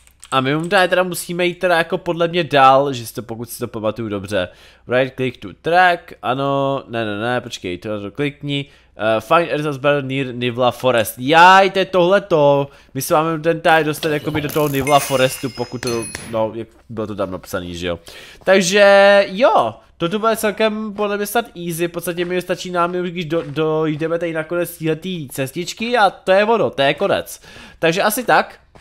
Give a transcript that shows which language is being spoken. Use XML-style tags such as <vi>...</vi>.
<cs>A my mu teda musíme jít teda jako podle mě dál, že si to, pokud si to pamatuju dobře.</cs> <en>Right click to track,</en> <cs>ano, ne, počkej, to klikni.</cs> <en>Find Erzan's brother near Nivla Forest.</en> <cs>Jaj, to je tohleto. My se máme ten tady dostat jakoby do toho Nivla Forestu, pokud to, no, jak bylo to tam napsaný, že jo. Takže, jo, toto bude celkem podle mě snad easy, v podstatě mi stačí nám, když dojdeme tady na konec týhletý cestičky a to je ono, to je konec. Takže asi tak.</cs>